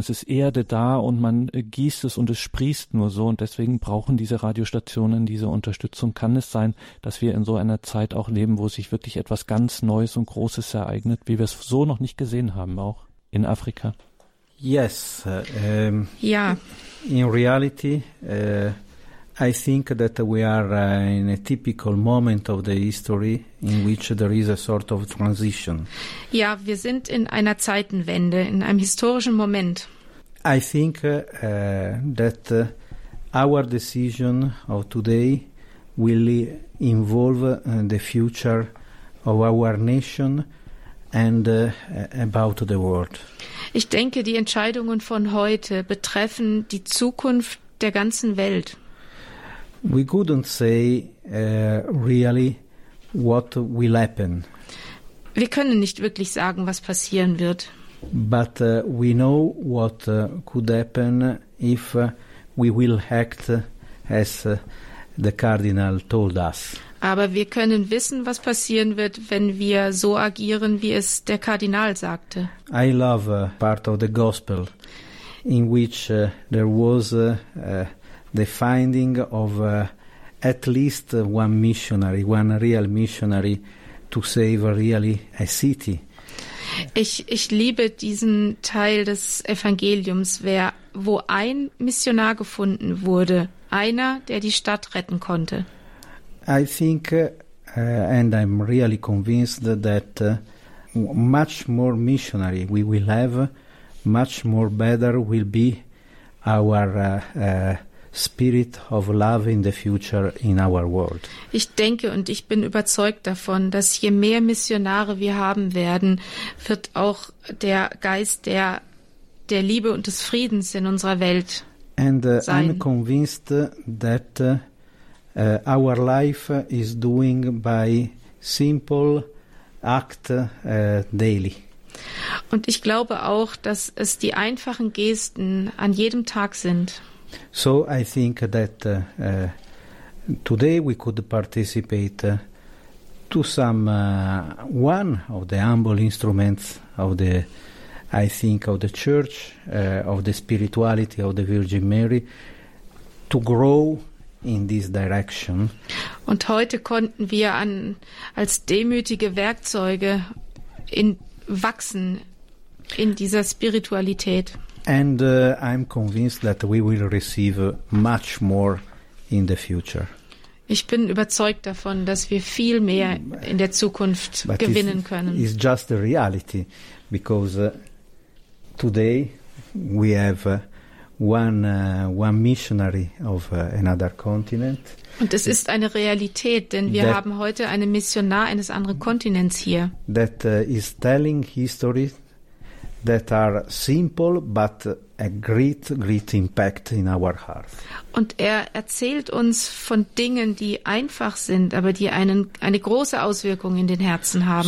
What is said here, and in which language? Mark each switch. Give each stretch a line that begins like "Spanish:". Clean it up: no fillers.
German: Es ist Erde da und man gießt es und es sprießt nur so. Und deswegen brauchen diese Radiostationen diese Unterstützung. Kann es sein, dass wir in so einer Zeit auch leben, wo sich wirklich etwas ganz Neues und Großes ereignet, wie wir es so noch nicht gesehen haben, auch in Afrika?
English: Yes.
German: Ja.
English: In reality, I think that we are in a typical moment of the history in which there is a sort of transition.
German: Ja, wir sind in einer Zeitenwende, in einem historischen Moment.
English: I think that our decision of today will involve the future of our nation and about the world.
German: Ich denke, die Entscheidungen von heute betreffen die Zukunft der ganzen Welt.
English: We couldn't say really what will happen.
German: Wir können nicht wirklich sagen, was passieren wird.
English: But we know what could happen if we will act as the Cardinal told us.
German: Aber wir können wissen, was passieren wird, wenn wir so agieren, wie es der Kardinal sagte.
English: I love part of the gospel in which there was the finding of at least one missionary, one real missionary, to save really a city.
German: Ich liebe diesen Teil des Evangeliums, wo ein Missionar gefunden wurde, einer, der die Stadt retten konnte.
English: I think and I'm really convinced that much more missionary we will have, much more better will be our spirit of love in the future in our world.
German: Ich denke und ich bin überzeugt davon, dass je mehr Missionare wir haben werden, wird auch der Geist der Liebe und des Friedens in unserer Welt
English: and,
German: sein.
English: I'm convinced that our life is doing by simple act daily.
German: Und ich glaube auch, dass es die einfachen Gesten an jedem Tag sind.
English: So I think that today we could participate to some one of the humble instruments of the, I think, of the Church, of the spirituality of the Virgin Mary, to grow in this direction.
German: Und heute konnten wir als demütige Werkzeuge wachsen in dieser Spiritualität.
English: And I'm convinced that we will receive much more in the future.
German: Ich bin überzeugt davon, dass wir viel mehr in der Zukunft
English: But
German: gewinnen können.
English: It's just the reality, because today we have one missionary of another continent.
German: Und es ist eine Realität, denn wir haben heute einen Missionar eines anderen Kontinents hier.
English: That is telling history that are simple but a great, great impact in our heart.
German: Und erzählt uns von Dingen, die einfach sind, aber die eine große Auswirkung in den Herzen haben.